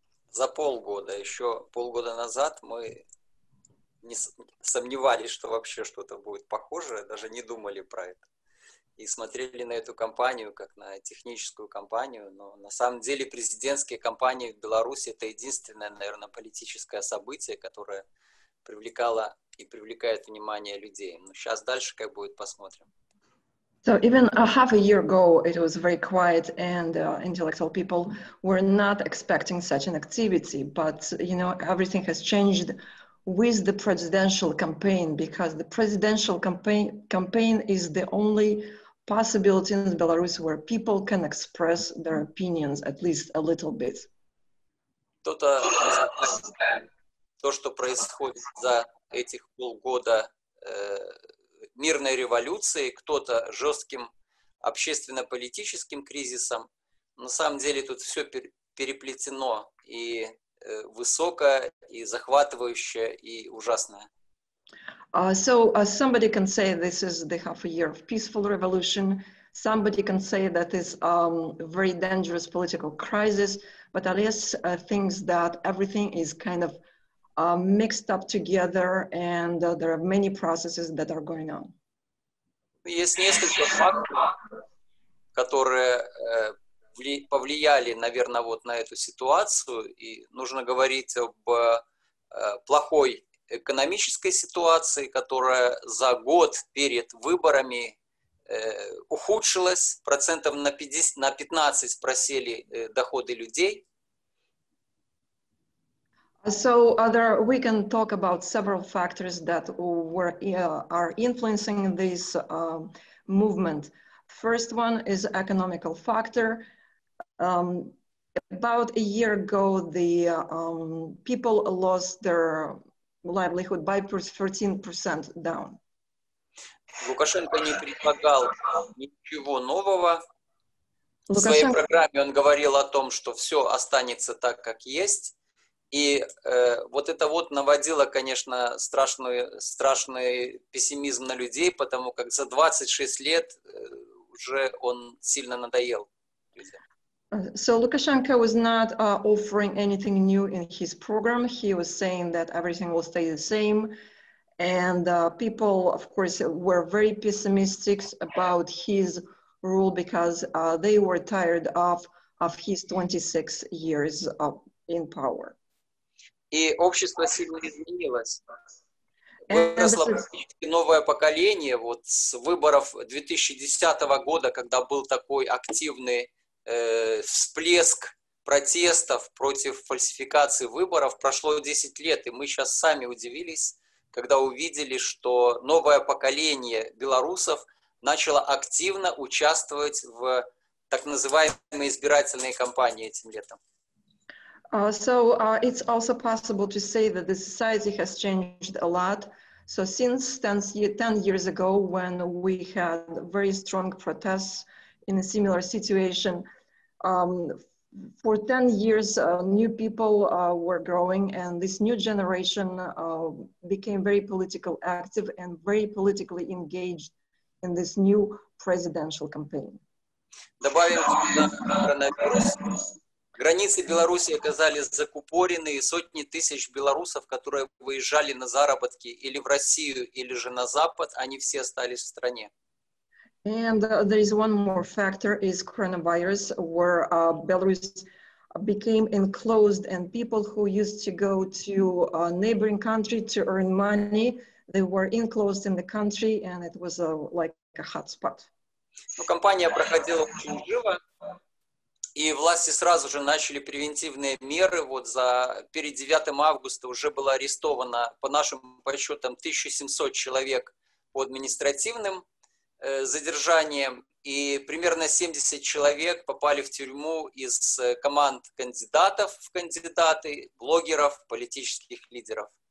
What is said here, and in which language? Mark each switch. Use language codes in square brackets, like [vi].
[ru] За полгода, еще полгода назад мы не сомневались, что вообще что-то будет похожее, даже не думали про это. И смотрели на эту кампанию как на техническую кампанию, но на самом деле президентские кампании в Беларуси — это единственное, наверное, политическое событие, которое привлекало и привлекает внимание людей. Но сейчас дальше как будет, посмотрим. [en] So even a half a year ago, it was very quiet, and intellectual people were not expecting such an activity. But, you know, everything has changed with the presidential campaign, because the presidential campaign is the only possibility in Belarus where people can express their opinions, at least a little bit. [ru] То, что происходит за этих полгода мирной революции, кто-то жестким общественно-политическим кризисом. На самом деле тут все переплетено, и высокое, и захватывающее, и ужасное. [en] Somebody can say this is the half a year of peaceful revolution. Somebody can say that is a very dangerous political crisis. But Alias thinks that everything is kind of mixed up together, and there are many processes that are going on. [ru] Есть несколько факторов, которые повлияли, наверное, вот на эту ситуацию. И нужно говорить об плохой экономической ситуации, которая за год перед выборами ухудшилась. Процентов на 50, на 15 просели доходы людей. [en] So other, we can talk about several factors that were are influencing this movement. First one is economical factor. About a year ago, the people lost their livelihood by 13% down. [ru] Лукашенко не предлагал ничего нового. В своей программе он говорил о том, что все останется так, как есть. И вот это вот наводило, конечно, страшный пессимизм на людей, потому как за 26 лет уже он сильно надоел людям. [en] So Lukashenko was not offering anything new in his program. He was saying that everything will stay the same. And people, of course, were very pessimistic about his rule because they were tired of his 26 years in power. [ru] И общество сильно изменилось. Выросло новое поколение вот с выборов 2010 года, когда был такой активный всплеск протестов против фальсификации выборов. Прошло 10 лет, и мы сейчас сами удивились, когда увидели, что новое поколение белорусов начало активно участвовать в так называемой избирательной кампании этим летом. [en] It's also possible to say that the society has changed a lot. So since 10 years ago, when we had very strong protests in a similar situation, for 10 years, new people were growing, and this new generation became very politically active and very politically engaged in this new presidential campaign. [ru] Добавим коронавирус. Границы Беларуси оказались закупорены, и сотни тысяч белорусов, которые выезжали на заработки или в Россию, или же на Запад, они все остались в стране. [en] And there is one more factor, is coronavirus, where Belarus became enclosed, and people who used to go to a neighboring country to earn money, they were enclosed in the country, and it was like a hot spot. [ru] Ну, кампания проходила очень живо, и власти сразу же начали превентивные меры. Вот перед 9 августа уже было арестовано, по нашим подсчетам, 1700 человек по административным задержанием, и примерно 70 человек попали в тюрьму из команд кандидатов в кандидаты, блогеров, политических лидеров.